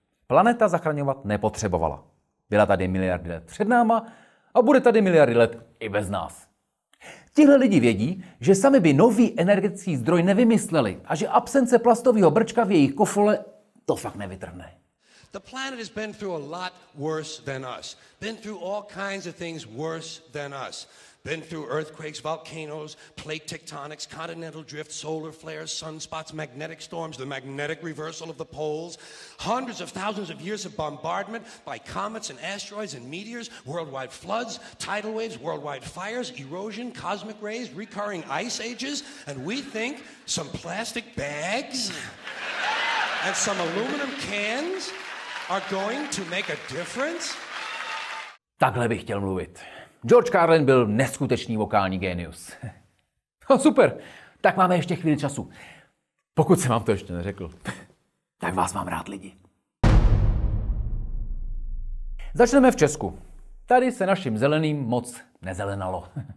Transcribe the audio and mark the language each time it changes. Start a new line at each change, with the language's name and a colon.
Czech: Planeta zachraňovat nepotřebovala. Byla tady miliardy let před náma a bude tady miliardy let i bez nás. Tihle lidi vědí, že sami by nový energetický zdroj nevymysleli a že absence plastového brčka v jejich kofole to fakt nevytrhne.
English: The planet has been through a lot worse than us. Been through all kinds of things worse than us. Been through earthquakes, volcanoes, plate tectonics, continental drift, solar flares, sunspots, magnetic storms, the magnetic reversal of the poles, hundreds of thousands of years of bombardment by comets and asteroids and meteors, worldwide floods, tidal waves, worldwide fires, erosion, cosmic rays, recurring ice ages, and we think some plastic bags and some aluminum cans are going to make a difference?
Czech: Takhle bych chtěl mluvit. George Carlin byl neskutečný vokální génius. No super, tak máme ještě chvíli času. Pokud jsem vám to ještě neřekl, tak vás mám rád, lidi. Začneme v Česku. Tady se našim zeleným moc nezelenalo.